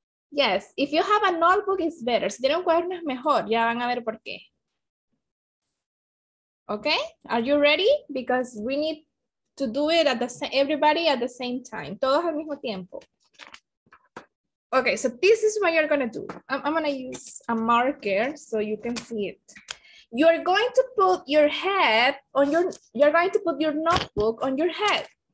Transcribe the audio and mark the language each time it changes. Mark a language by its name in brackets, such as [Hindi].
[English] Yes, if you have a notebook, it's better. [Spanish] Si tienen un cuaderno es mejor, ya van a ver por qué. [English] Okay, are you ready? Because we need to do it at the same, everybody at the same time. [Spanish] Todos al mismo tiempo. [English] Okay, so this is what you're gonna do. I'm gonna use a marker so you can see it. You're going to put your head on your, you're going to put your notebook on your head.